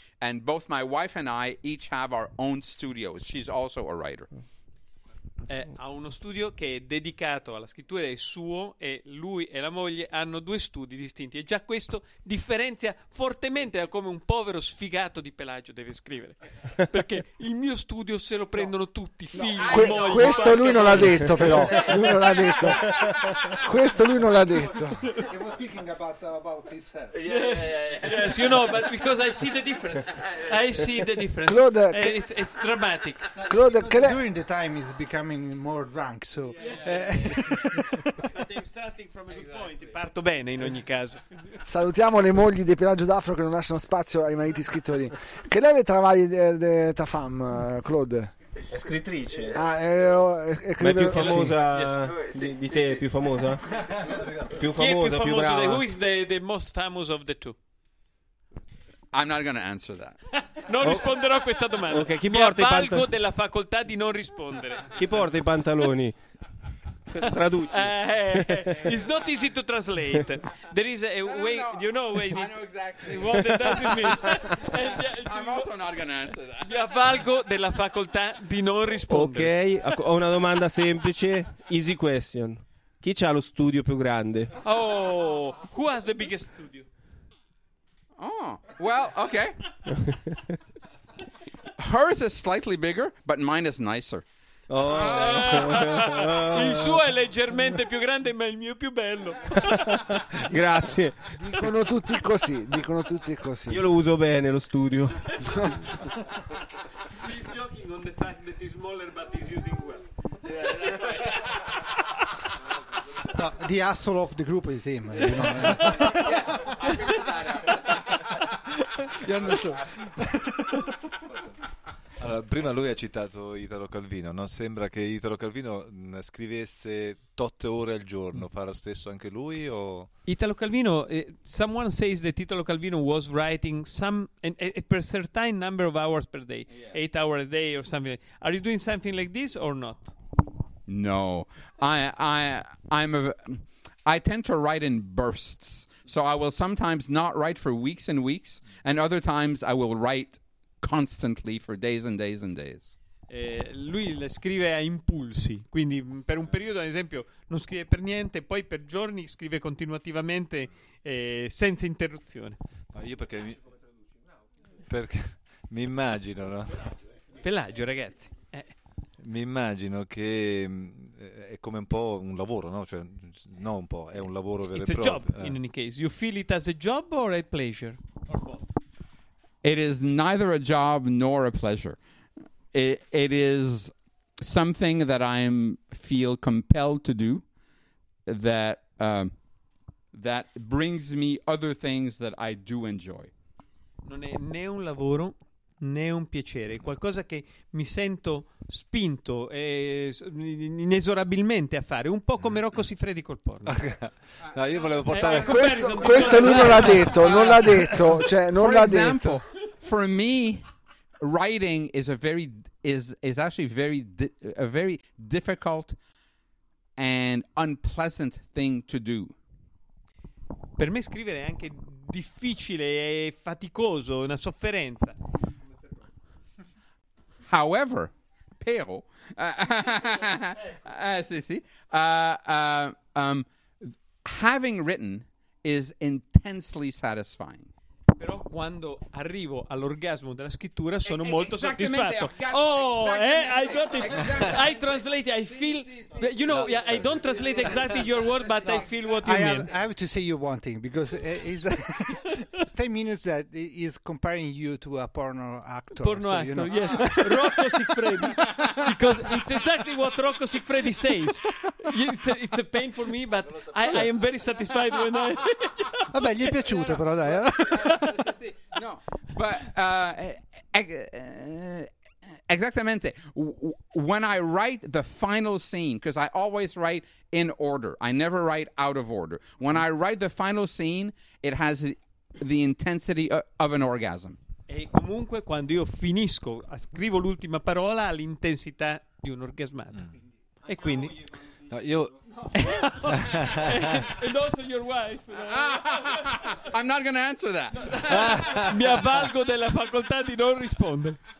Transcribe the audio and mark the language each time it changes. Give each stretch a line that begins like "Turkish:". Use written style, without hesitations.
English: And both my wife and I each have our own studios. She's also a writer.
Italian: Ha uno studio che è dedicato alla scrittura, è suo, e lui e la moglie hanno due studi distinti. E già questo differenzia fortemente da come un povero sfigato di Pelagio deve scrivere. Perché il mio studio se lo prendono tutti, figli, moglie. Questo lui non l'ha detto, però. Lui non l'ha detto. Questo lui non l'ha detto.
English: He was speaking about this. Yeah. Yes, you know, but because I see the difference. Claude, it's dramatic. Claude, during the time is becoming more drunk, so yeah. But starting from a good point.
Italian: Parto bene in ogni caso. Salutiamo le mogli di Pelagio D'Afro che non lasciano spazio ai mariti scrittori. Che lei le travagli di ta fam, Claude? È scrittrice. È più famosa di te, più famosa? Più famosa, più brava.
English: Who is the most famous of the two? I'm not going to answer that.
Italian: Non risponderò a questa domanda. Okay, chi mi porta avvalgo i pantaloni? Della facoltà di non rispondere. Chi porta i pantaloni? Questo traduci.
English: It's not easy to translate. There is a way. Know. You know, wait. I know exactly what it does mean. I'm also not going to answer that.
Italian: Mi avvalgo della facoltà di non rispondere. Ok, ho una domanda semplice.
English: Easy question.
Italian: Chi c'ha lo studio più grande?
English: Oh, who has the biggest studio? Oh, well, okay. Hers is slightly bigger, but mine is nicer. Oh.
Italian: Il suo è leggermente più grande, ma il mio è più bello. Grazie. Dicono tutti così. Io lo uso bene, lo studio.
English: He's joking on the fact that he's smaller, but he's using well. The asshole of the group is him. You know?
Italian: Allora, prima lui ha citato Italo Calvino, no? Sembra che Italo Calvino scrivesse tot ore al giorno, fa lo stesso anche lui o...
English: Italo Calvino, someone says that Italo Calvino was writing a per certain number of hours per day, 8 hours a day or something. Are you doing something like this or not? No, I tend to write in bursts. So I will sometimes not write for weeks and weeks, and other times I will write constantly for days and days and days.
Italian: Lui le scrive a impulsi, quindi per un periodo, ad esempio, non scrive per niente, poi per giorni scrive continuativamente, senza interruzione. Ma io perché mi, perché mi immagino, no? Pelagio, ragazzi. Mi immagino che è come un po' un lavoro, no? Cioè, no, un po', è un lavoro vero e proprio.
English: It's a job, in any case. You feel it as a job or a pleasure? Or both? It is neither a job nor a pleasure. It is something that I feel compelled to do, that that brings me other things that I do enjoy.
Italian: Non è né un lavoro né un piacere, qualcosa che mi sento spinto e inesorabilmente a fare, un po' come Rocco Siffredi col porno. No, io volevo portare questo lui non l'ha detto, non l'ha detto, cioè non l'ha detto.
English: For me, writing is a very difficult and unpleasant thing to do.
Italian: Per me scrivere è anche difficile e faticoso, una sofferenza.
English: However, però, having written is intensely satisfying.
Italian: Però quando arrivo all'orgasmo della scrittura sono molto soddisfatto.
English: I got it. I translate. I feel. You know, I don't translate exactly your word, but no, I feel what you mean. I have to say you one thing, because it's 10 minutes that is comparing you to a porno actor. Porno actor, you know. Yes. Rocco Siffredi. Because it's exactly what Rocco Siffredi says. It's a pain for me, but I am very satisfied when I.
Italian: Vabbè, gli è piaciuto, però dai.
English: No, but exactamente. When I write the final scene, because I always write in order, I never write out of order. When I write the final scene, it has the intensity of an orgasm.
Italian: E comunque, quando io finisco, scrivo l'ultima parola, ha l'intensità di un orgasmato. E quindi. No, io.
English: And also your wife. I'm not going to answer that.
Italian: Mi avvalgo della facoltà di non rispondere.